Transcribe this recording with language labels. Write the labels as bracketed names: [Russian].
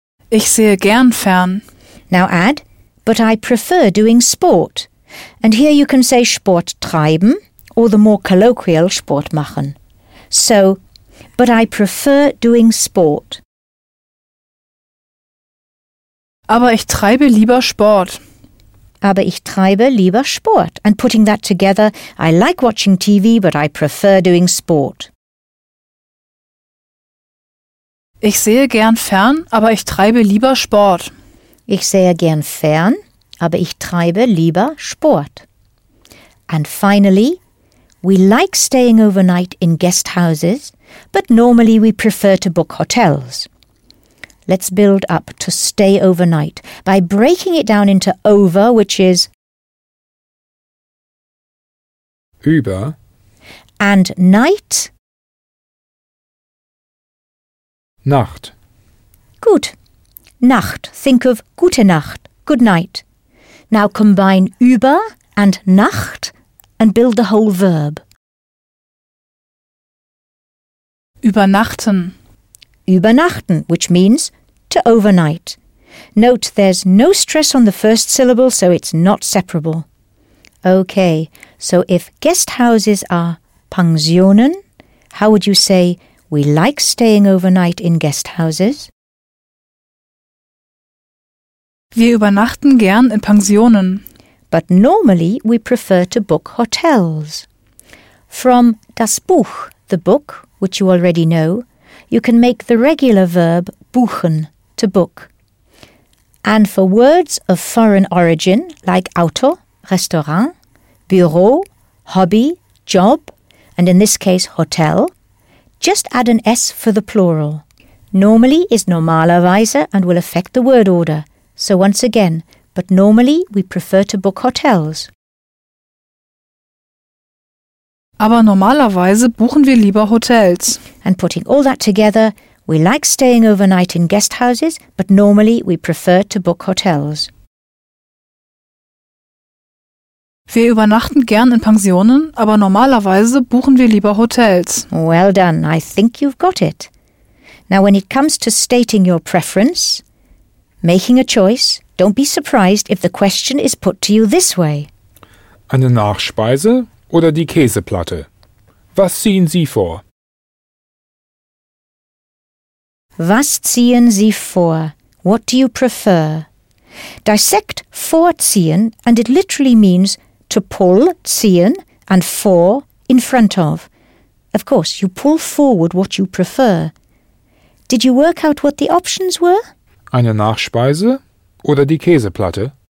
[German] Ich sehe gern fern. [English] Now add... But I prefer doing sport. And here you can say Sport treiben, or the more colloquial Sport machen. So, but I prefer doing sport. [German] Aber ich treibe lieber Sport. Aber ich treibe lieber Sport. [English] And putting that together, I like watching TV, but I prefer doing sport. [German] Ich sehe gern fern, aber ich treibe lieber Sport. Ich sehe gern fern, aber ich treibe lieber Sport. And finally, [English] We like staying overnight in guest houses, but normally we prefer to book hotels. Let's build up to stay overnight by breaking it down into over, which is [German] über, [English] and night, [German] Nacht. [English] Gut. Nacht. Think of gute Nacht, good night. Now combine über and Nacht and build the whole verb. [German] Übernachten. [English] Übernachten, which means to overnight. Note there's no stress on the first syllable, so it's not separable. Okay, so if guest houses are Pensionen, how would you say we like staying overnight in guest houses? [German] Wir übernachten gern in Pensionen. [English] But normally we prefer to book hotels. From das Buch, the book, which you already know, you can make the regular verb buchen, to book. And for words of foreign origin, like Auto, Restaurant, Bureau, Hobby, Job, and in this case Hotel, just add an S for the plural. Normally is normalerweise and will affect the word order. So once again, but normally we prefer to book hotels. [German] Aber normalerweise buchen wir lieber Hotels. [English] And putting all that together, we like staying overnight in guest houses, but normally we prefer to book hotels. [German] Wir übernachten gern in Pensionen, aber normalerweise buchen wir lieber Hotels. [English] Well done, I think you've got it. Now when it comes to stating your preference, making a choice, don't be surprised if the question is put to you this way. [German] Eine Nachspeise oder die Käseplatte? Was ziehen Sie vor? Was ziehen Sie vor? What do you prefer? [English] Dissect vorziehen and it literally means to pull, ziehen, and vor, in front of. Of course, you pull forward what you prefer. Did you work out what the options were? [German] Eine Nachspeise oder die Käseplatte?